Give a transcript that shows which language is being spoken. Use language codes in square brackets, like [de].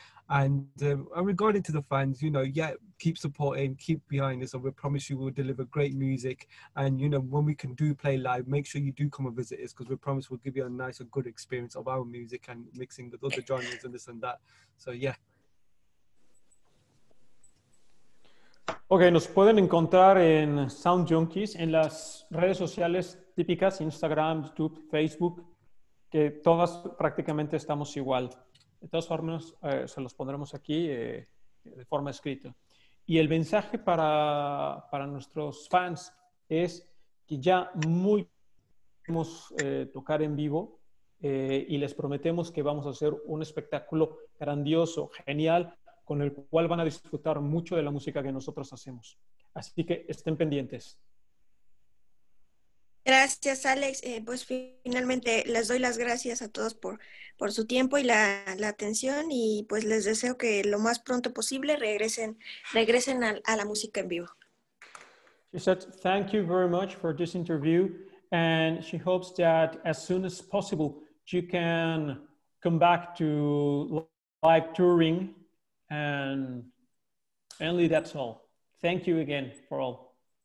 [en] And regarding to the fans, you know, yeah, keep supporting, keep behind us, and we promise you we'll deliver great music. And, you know, when we can do play live, make sure you do come and visit us, because we promise we'll give you a nice and good experience of our music and mixing with other genres and this and that. So, yeah. [es] Ok, nos pueden encontrar en Sound Junkeyz en las redes sociales típicas, Instagram, YouTube, Facebook, que todas prácticamente estamos igual. De todas formas, se los pondremos aquí de forma escrita. Y el mensaje para nuestros fans es que ya muy queremos tocar en vivo y les prometemos que vamos a hacer un espectáculo grandioso, genial, con el cual van a disfrutar mucho de la música que nosotros hacemos. Así que estén pendientes. Gracias, Alex. Pues finalmente les doy las gracias a todos por su tiempo y la atención, y pues les deseo que lo más pronto posible regresen a la música en vivo. [en] She said, thank you very much for this interview, and she hopes that as soon as possible you can come back to live touring. And finally, that's all. Thank you again for all.